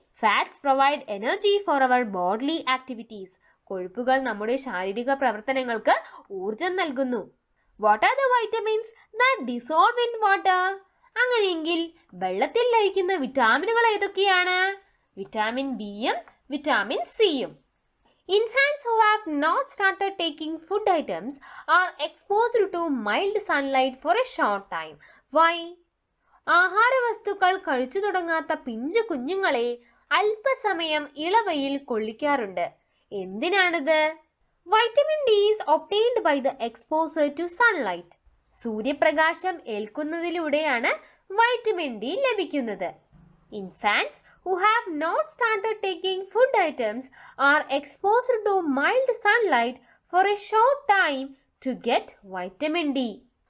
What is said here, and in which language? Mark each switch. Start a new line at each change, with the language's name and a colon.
English: Fats provide energy for our bodily activities.
Malayalam: കൊഴുപ്പുകൾ നമ്മുടെ ശാരീരിക പ്രവർത്തനങ്ങൾക്ക് ഊർജം നൽകുന്നു.
English: What are the vitamins that dissolve in water?
Malayalam: അങ്ങനെയെങ്കിൽ വെള്ളത്തിൽ ലയിക്കുന്ന വിറ്റാമിനുകൾ ഏതൊക്കെയാണ്? വിറ്റാമിൻ ബിയും വിറ്റാമിൻ സിയും.
English: Infants who have not started taking food items are exposed to mild sunlight for a short time. Why?
Malayalam: ആഹാരവസ്തുക്കൾ കഴിച്ചു തുടങ്ങാത്ത പിഞ്ചു കുഞ്ഞുങ്ങളെ അല്പസമയം ഇളവയിൽ കൊള്ളിക്കാറുണ്ട്. എന്തിനാണിത്?
English: Vitamin D is obtained by the exposure to sunlight.
Malayalam: സൂര്യപ്രകാശം ഏൽക്കുന്നതിലൂടെയാണ് വൈറ്റമിൻ ഡി ലഭിക്കുന്നത്.
English: Infants who have not started taking food items are exposed to mild sunlight for a short time to get vitamin D.